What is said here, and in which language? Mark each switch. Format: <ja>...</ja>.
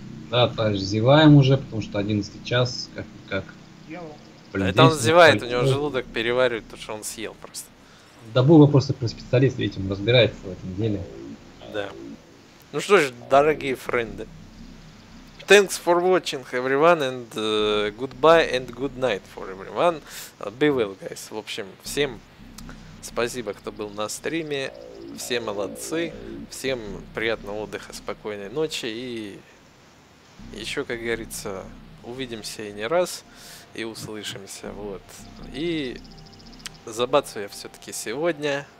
<ru>Да, товарищ, зеваем уже, потому что 11 час, как. Блин, это он зевает, у него желудок переваривает, потому что он съел просто. Да Буба просто про специалист этим разбирается в этом деле. Да. Ну что ж, дорогие френды.</ru> <en>Thanks for watching everyone and goodbye and good night for everyone. Be well, guys.</en> <ru>В общем, всем спасибо, кто был на стриме. Все молодцы. Всем приятного отдыха, спокойной ночи. И еще, как говорится, увидимся и не раз. И услышимся. Вот. И забацаю я все-таки сегодня.</ru>